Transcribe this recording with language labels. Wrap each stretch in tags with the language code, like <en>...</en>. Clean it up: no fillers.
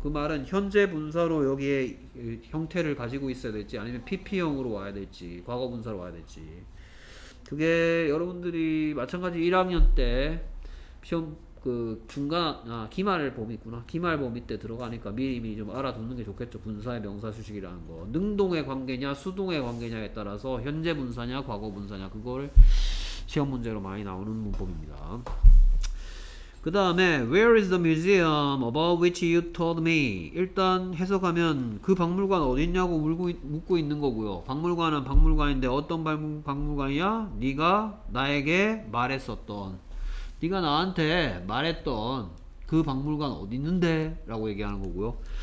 <ko>그 말은 현재 분사로 여기에 형태를 가지고 있어야 될지 아니면 PP형으로 와야 될지 과거 분사로 와야 될지 그게 여러분들이 마찬가지 1학년 때 시험 그 중간 기말 범위 있구나 기말 범위 때 들어가니까 미리미리 좀 알아두는 게 좋겠죠. 분사의 명사 수식이라는 거 능동의 관계냐 수동의 관계냐에 따라서 현재 분사냐 과거 분사냐 그걸 시험 문제로 많이 나오는 문법입니다. 그 다음에</ko> <en>Where is the museum about which you told me?</en> <ko>일단 해석하면 그 박물관 어딨냐고 묻고 있는 거고요. 박물관은 박물관인데 어떤 박물관이야? 네가 나에게 말했었던 네가 나한테 말했던 그 박물관 어디 있는데? 라고 얘기하는 거고요.</ko>